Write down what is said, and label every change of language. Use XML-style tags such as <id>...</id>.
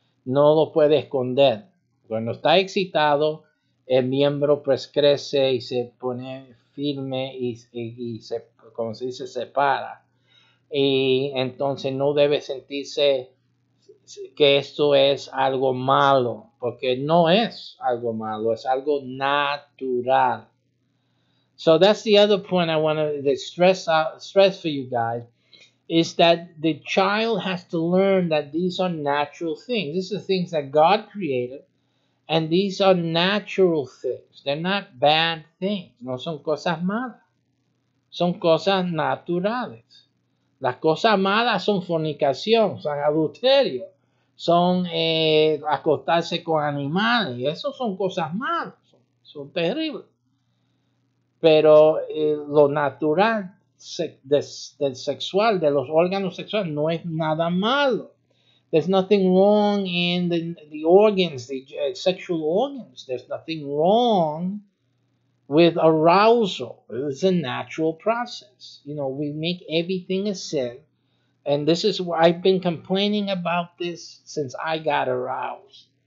<es>No lo puede esconder. Cuando está excitado, el miembro pues crece y se pone firme y se, como se dice, se para. Y entonces no debe sentirse que esto es algo malo, porque no es algo malo, es algo natural.</es> <en>So, that's the other point I want to stress for you guys. Is that the child has to learn that these are natural things. These are things that God created, and these are natural things. They're not bad things.</en> <es>No son cosas malas. Son cosas naturales. Las cosas malas son fornicación, son adulterio, son acostarse con animales. Y eso son cosas malas. Son terribles. Pero lo natural del sexual, de los órganos sexuales, no es nada malo.</es> <en>There's nothing wrong in the organs, the sexual organs. There's nothing wrong with arousal. It's a natural process. You know, we make everything a sin. And this is why I've been complaining about this since I got aroused.</en>